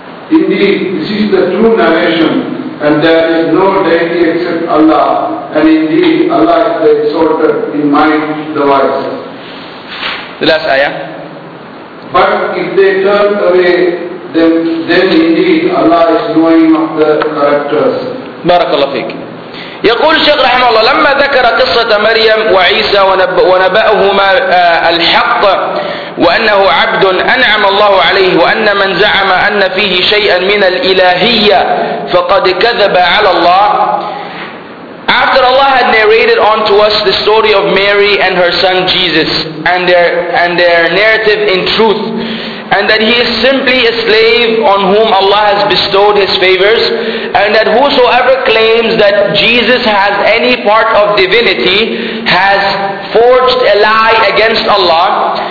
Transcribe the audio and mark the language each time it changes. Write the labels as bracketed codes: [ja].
[en] Indeed, this is the true narration, and there is no deity except Allah, and indeed Allah is the exalted in mind, the wise. The last ayah. But if they turn away, then indeed Allah is knowing of the characters. [ar] Barakallahu feek. يقول الشيخ رحمه الله لما ذكر قصة مريم وعيسى ونبأهما الحق وأنه عبد أنعم الله عليه وأن من زعم أن فيه شيئا من الإلهية فقد كذب على الله. [en] After Allah had narrated unto us the story of Mary and her son Jesus and their narrative in truth, and that he is simply a slave on whom Allah has bestowed his favors, and that whosoever claims that Jesus has any part of divinity has forged a lie against Allah.